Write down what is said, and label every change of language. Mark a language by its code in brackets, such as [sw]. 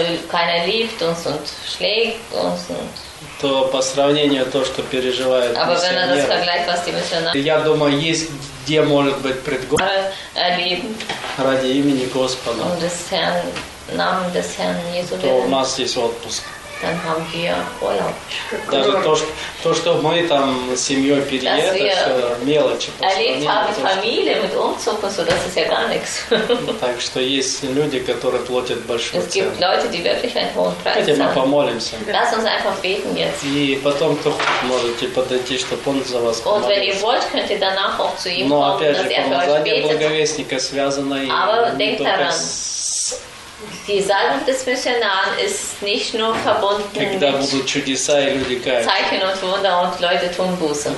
[de] Keiner liebt uns und schlägt uns. [ru] То по сравнению то, что переживает миссионер. Я думаю, есть где может быть пред Господом. Ради имени Господа. [de] Und des Herrn, Namen des Herrn Jesu. [ru] То у нас есть отпуск. [de] Dann haben wir Urlaub. [ru] Даже то, что мы там с семьей переехали, мелочи. [de] Erlebt haben Familie mit Umzug, so das ist ja gar nichts. [ru] Так что есть люди, которые платят большую цену. [de] Es gibt Leute, die wirklich einen hohen Preis zahlen. [ru] Хотя мы помолимся. [de] Lass uns einfach beten jetzt. [ru] И потом кто можете подойти, чтобы он за вас помолился. [de] Вот, wenn ihr wollt, könnt ihr danach auch zu ihm kommen, [ru] опять же, помазание благовестника связано и не только с... [de] Die Salbung des Missionaren ist nicht nur verbunden mit Zeichen und Wunder und Leute tun Buße.